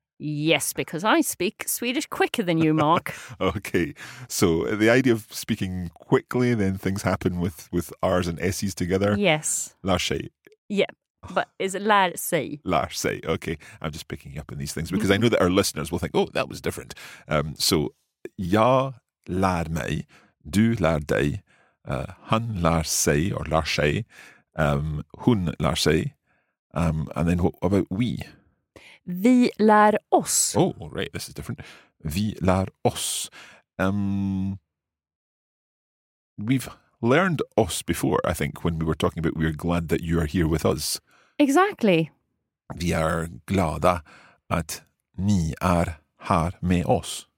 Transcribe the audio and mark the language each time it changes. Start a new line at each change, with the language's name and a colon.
English: Yes, because I speak Swedish quicker than you, Mark. Okay, so the idea of speaking quickly, then things happen with R's and S's together. Yes.
Swedish: Lär sig.
English: Yeah. But is it lär sig?
Swedish: Lär sig. Okay.
English: I'm just picking up on these things because I know that our listeners will think, oh, that was different.
Swedish: So, jag lär mig, du lär dig, han lär sig or lär sig, hon lär sig,
English: and then what about we?
Swedish: Vi lär oss.
English: Oh, right. This is different.
Swedish: Vi lär oss.
English: We've learned oss before, I think, when we were talking about we're glad that you are here with us. Exactly.
Swedish: Vi är glada att ni är här med oss.